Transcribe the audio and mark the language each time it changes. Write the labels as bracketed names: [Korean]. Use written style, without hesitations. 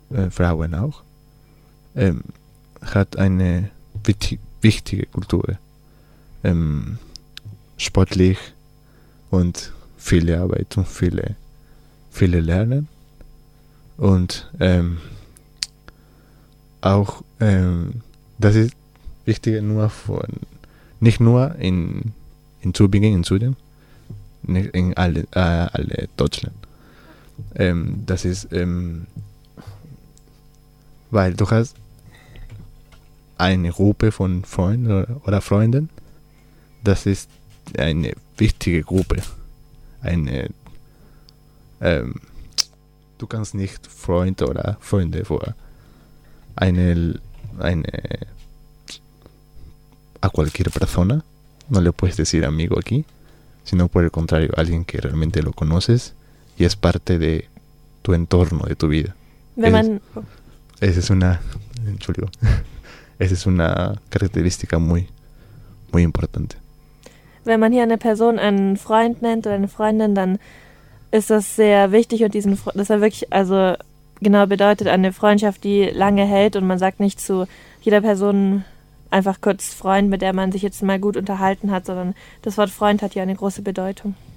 [German] Frauen auch, hat eine wichtige Kultur, sportlich und viele Arbeit und viele Lernen und auch das ist wichtig nur von nicht nur in Tübingen, in Süden, nicht in alle Deutschland. Das ist weil du hast eine Gruppe von Freunden oder Freunden, das ist eine wichtige Gruppe. Du kannst nicht Freund oder Freunde vor eine [Spanish] a cualquier persona, no le puedes decir amigo aquí, sino por el contrario, alguien que realmente lo conoces y es parte de tu entorno, de tu vida. Esa es una característica muy, muy importante. [German] Wenn man hier eine Person einen Freund nennt oder eine Freundin, dann ist das sehr wichtig und diesen das ist wirklich, also genau bedeutet eine Freundschaft, die lange hält und man sagt nicht zu jeder Person einfach kurz Freund, mit der man sich jetzt mal gut unterhalten hat, sondern das Wort Freund hat hier eine große Bedeutung.